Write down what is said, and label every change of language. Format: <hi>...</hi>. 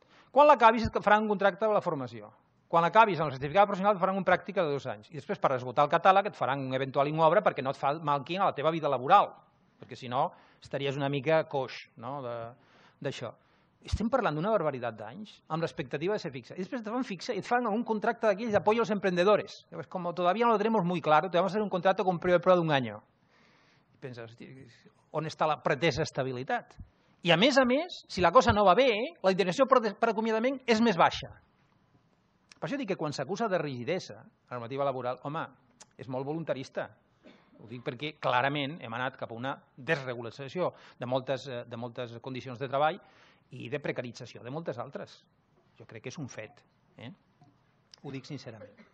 <ca>Quan l'acabis, et faran un contracte de la formació. Quan acabis amb el certificat professional, et faran una pràctica de 2 anys. I després, per esgotar el catàleg, et faran un eventual inobre perquè no et fa mal quin a la teva vida laboral. Perquè si no, estaries una mica coix, no?, d'això. Estem parlant d'una barbaritat d'anys amb l'expectativa de ser fixa. I després et fan fixa i et fan un contracte d'aquells d'apoyo als emprendedores. Llavors, com</ca> <es>todavía no lo tenemos muy claro, te vamos a hacer un contrato con prioridad prueba de 1 any.</es> <ca>I penses, on està la pretesa estabilitat? I a més, si la cosa no va bé, la indemnització per acomiadament és més baixa. Per això dic que quan s'acusa de rigidesa la normativa laboral, home, és molt voluntarista. Ho dic perquè clarament hem anat cap a una desregulació de moltes condicions de treball i de precarització de moltes altres. Jo crec que és un fet. Ho dic sincerament.</ca>